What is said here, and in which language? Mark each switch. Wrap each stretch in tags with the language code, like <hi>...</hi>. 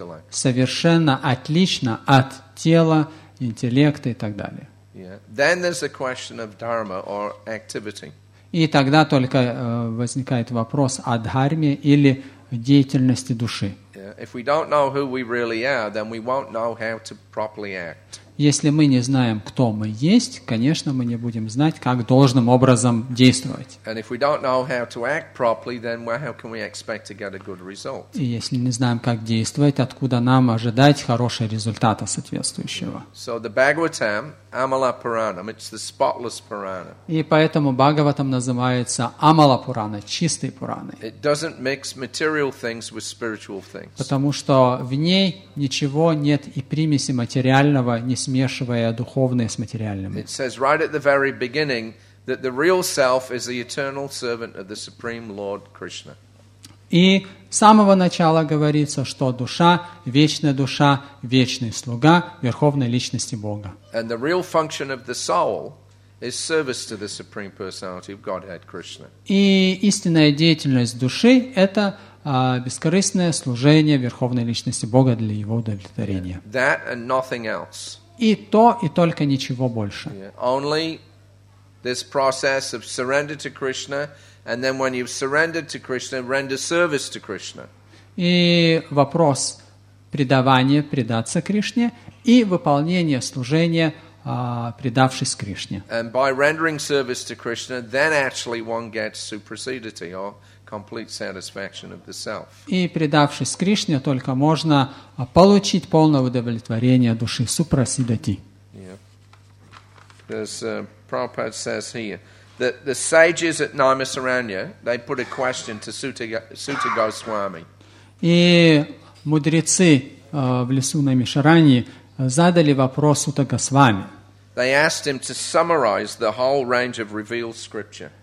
<ru>Совершенно отлично от тела, интеллекта и так далее.</ru> <en>Yeah. Then there's a question of dharma or activity.</en> <ru>И тогда только возникает вопрос о дхарме или деятельности души.</ru> <en>If we don't know who we really are, then we won't know how to properly act.</en> <ru>Если мы не знаем, кто мы есть, конечно, мы не будем знать, как должным образом действовать.</ru> <en>And if we don't know how to act properly, then how can we expect to get a good result?</en> <ru>И если не знаем, как действовать, откуда нам ожидать хорошего результата соответствующего?</ru> <en>So the Bhagavatam, Amalapurana, it's the spotless Purana.</en> <ru>И поэтому Бхагаватам называется Амалапурана, чистой Пураной.</ru> <en>It doesn't mix material things with spiritual things.</en> <ru>Потому что в ней ничего нет и примеси материального, не смешивая духовное с материальным.</ru> <en>It says right at the very beginning that the real self is the eternal servant of the Supreme Lord Krishna.</en> <ru>И с самого начала говорится, что душа, вечный слуга верховной личности Бога.</ru> <en>And the real function of the soul is service to the Supreme Personality of Godhead Krishna.</en> <ru>И истинная деятельность души это бескорыстное служение Верховной Личности Бога для Его удовлетворения.</ru> <en>Yeah, that and nothing else.</en> <ru>И то, и только ничего больше.</ru> <en>Yeah, only this process of surrender to Krishna, and then when you've surrendered to Krishna, render service to Krishna.</en> <ru>И вопрос предавания, предаться Кришне, и выполнение служения, предавшись Кришне.</ru> <en>And by rendering service to Krishna, then actually one gets supersedity, or complete satisfaction of the self.</en> <ru>И предавшись Кришне, только можно получить полное удовлетворение души супрасидати.</ru> <en>Yeah. As Prabhupada says here, that the sages at Naimisaranya, they put a question to Suta Goswami.</en> <ru>И мудрецы в лесу Наймишараньи задали вопрос Сута Госвами.</ru> <en>They asked him to summarize the whole range of revealed scripture.</en>